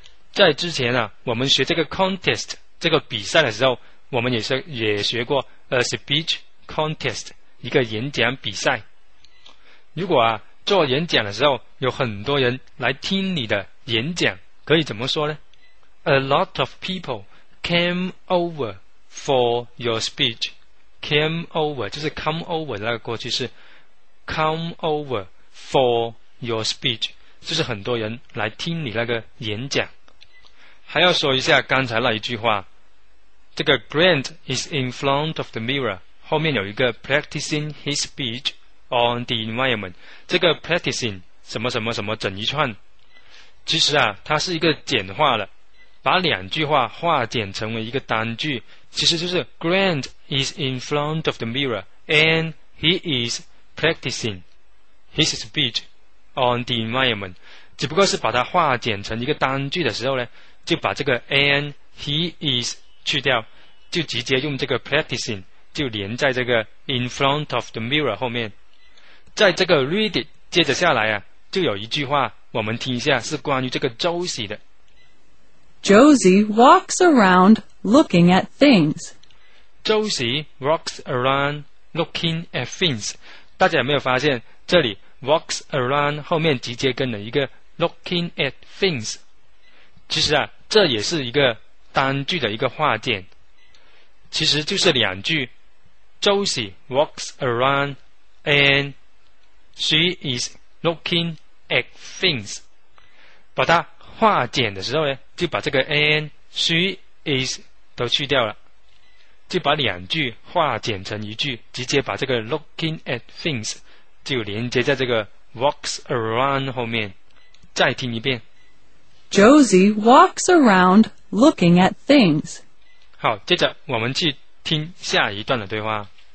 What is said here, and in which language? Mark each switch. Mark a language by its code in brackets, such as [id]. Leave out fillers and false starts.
[zh] 在之前啊，我们学这个 contest 这个比赛的时候，我们也学过 [en] a speech contest [zh] 一个演讲比赛。如果啊做演讲的时候有很多人来听你的演讲，可以怎么说呢？ [en] A lot of people came over for your speech. Came over [zh] 就是 come over 的那个过去式， [en] come over for your speech [zh] 就是很多人来听你那个演讲。还要说一下刚才那一句话，这个 [en] Grant is in front of the mirror [zh] 后面有一个 [en] practicing his speech on the environment， [zh] 这个 practicing 什么什么什么整一串，其实啊它是一个简化了，把两句话化简成为一个单句，其实就是 [en] Grant is in front of the mirror and he is practicing his speech on the environment， [zh] 只不过是把它化简成一个单句的时候呢，就把这个 [en] and he is [zh] 去掉，就直接用这个 practicing 就连在这个 [en] in front of the mirror [zh] 后面。在这个 [en] read it [zh] 接着下来啊，就有一句话我们听一下，是关于这个 Josie 的。 [en] Josie walks around looking at things. Josie walks around looking at things. [zh] 大家有没有发现这里 [en] walks around [zh] 后面直接跟了一个 [en] looking at things。 [zh] 其实啊这也是一个单句的一个化简，其实就是两句， [en] Josie walks around andShe is looking at things. [zh] 把它化简的时候呢，就把这个 [en] and she is [zh] 都去掉了，就把两句化简成一句，直接把这个 [en] looking at things [zh] 就连接在这个 [en] walks around [zh] 后面。再听一遍， [en] Josie walks around looking at things. [zh] 好，接着我们去听下一段的对话。